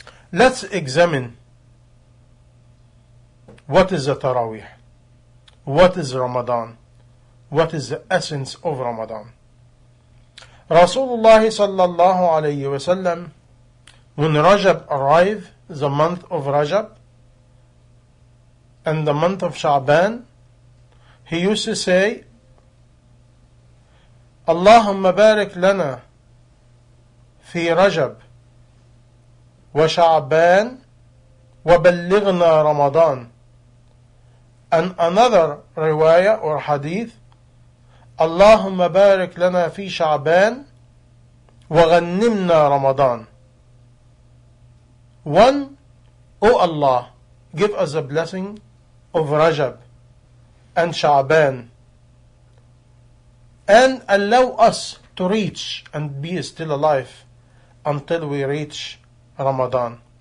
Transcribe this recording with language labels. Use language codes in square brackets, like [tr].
[en] Let's examine what is the Taraweeh, what is Ramadan, what is the essence of Ramadan. Rasulullah sallallahu alayhi wa sallam, when Rajab arrived, the month of Rajab and the month of Sha'ban, he used to say, [ar] اللهم بارك لنا في رجب وشعبان وبلغنا رمضان. [en] And another [ar] رواية or حديث, اللهم بارك لنا في شعبان وغنمنا رمضان. [en] One, O Allah, give us a blessing of Rajab and Sha'ban, and allow us to reach and be still alive until we reach Ramadan.